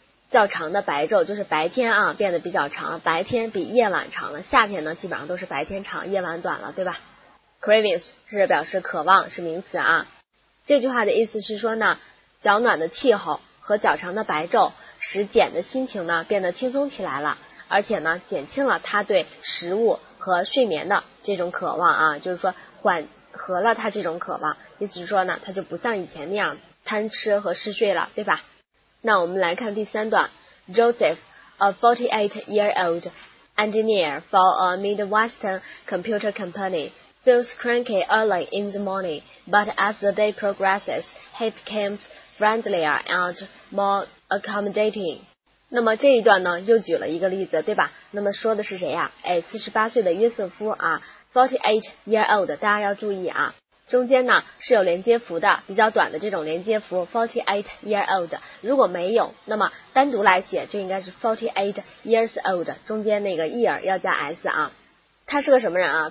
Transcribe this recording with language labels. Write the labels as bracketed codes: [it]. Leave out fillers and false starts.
[zh] 较长的白昼就是白天啊变得比较长白天比夜晚长了夏天呢基本上都是白天长夜晚短了对吧 Cravings 是表示渴望是名词啊这句话的意思是说呢较暖的气候和较长的白昼使简的心情呢变得轻松起来了而且呢减轻了他对食物和睡眠的这种渴望啊就是说缓和了他这种渴望意思是说呢他就不像以前那样贪吃和嗜睡了，对吧？那我们来看第三段。 [en] Joseph, a 48-year-old engineer for a Midwestern computer company, feels cranky early in the morning, but as the day progresses, he becomes friendlier and more accommodating. [zh] 那么这一段呢又举了一个例子，对吧？那么说的是谁呀？哎，48岁的约瑟夫啊， 48-year-old, 大家要注意啊，中间呢是有连接符的，比较短的这种连接符 48-year-old, 如果没有，那么单独来写就应该是 48-years-old, 中间那个 year 要加 s 啊。他是个什么人啊？